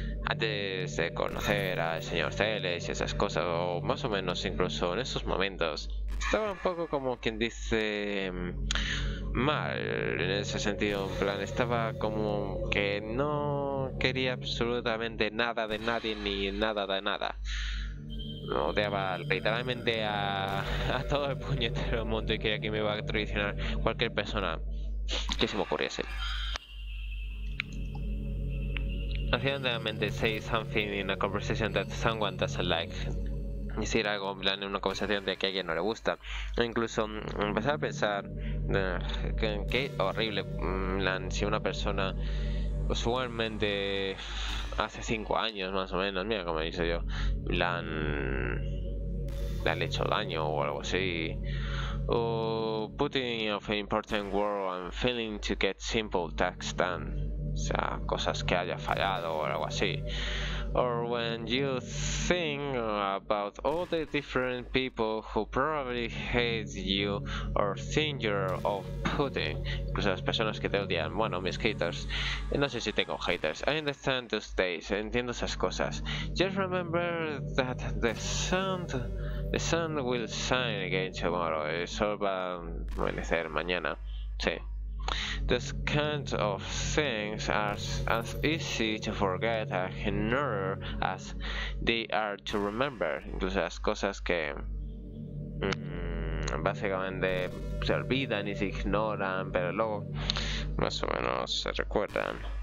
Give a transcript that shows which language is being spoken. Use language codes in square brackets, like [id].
[es] Antes de conocer al señor Celes y esas cosas, o más o menos incluso en esos momentos, estaba un poco como quien dice mal en ese sentido. En plan, estaba como que no quería absolutamente nada de nadie ni nada de nada. Odiaba literalmente a todo el puñetero mundo y quería que me iba a traicionar cualquier persona que se me ocurriese. [en] accidentally say something in a conversation that someone doesn't like. [es] Decir algo en una conversación de que a alguien no le gusta, o incluso empezar a pensar qué horrible si una persona usualmente hace 5 años más o menos, mira como dice yo, le han hecho daño o algo así, o [en] putting of an important word and failing to get simple task done, [es] o sea, cosas que haya fallado o algo así. [en] Or when you think about all the different people who probably hate you or think you're off-putting. [es] Incluso las personas que te odian. Bueno, mis haters. No sé si tengo haters. [en] I understand those days. [es] Entiendo esas cosas. [en] Just remember that the sun will shine again tomorrow. [es] El sol va a amanecer mañana. Sí. [en] These kinds of things are as easy to forget and ignore as they are to remember. [es] Incluso las cosas que básicamente se olvidan y se ignoran, pero luego más o menos se recuerdan.